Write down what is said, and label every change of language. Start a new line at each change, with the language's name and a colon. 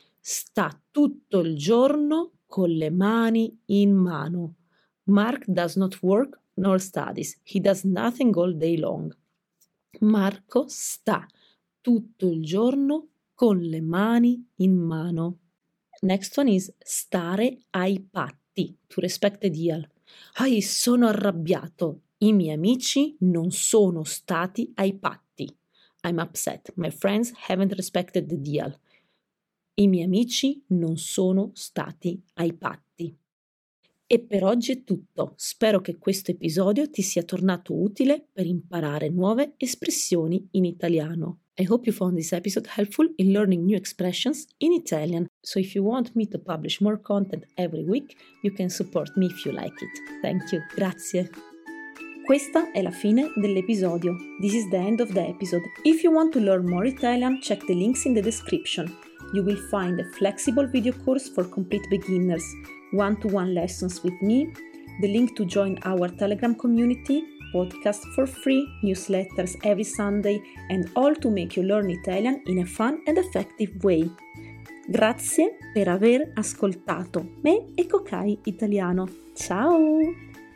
Italian: Sta tutto il giorno con le mani in mano.
English: Mark does not work nor studies. He does nothing all day long.
Italian: Marco sta tutto il giorno con le mani in mano.
English: Next one is
Italian: stare ai patti,
English: to respect the deal.
Italian: Ai, sono arrabbiato. I miei amici non sono stati ai patti.
English: I'm upset. My friends haven't respected the deal.
Italian: I miei amici non sono stati ai patti. E per oggi è tutto. Spero che questo episodio ti sia tornato utile per imparare nuove espressioni in italiano.
English: I hope you found this episode helpful in learning new expressions in Italian. So if you want me to publish more content every week, you can support me if you like it. Thank you. Grazie.
Italian: Questa è la fine dell'episodio.
English: This is the end of the episode. If you want to learn more Italian, check the links in the description. you will find a flexible video course for complete beginners, one-to-one lessons with me, the link to join our Telegram community, podcast for free, newsletters every Sunday, and all to make you learn Italian in a fun and effective way.
Italian: Grazie per aver ascoltato me e Cocai Italiano. Ciao!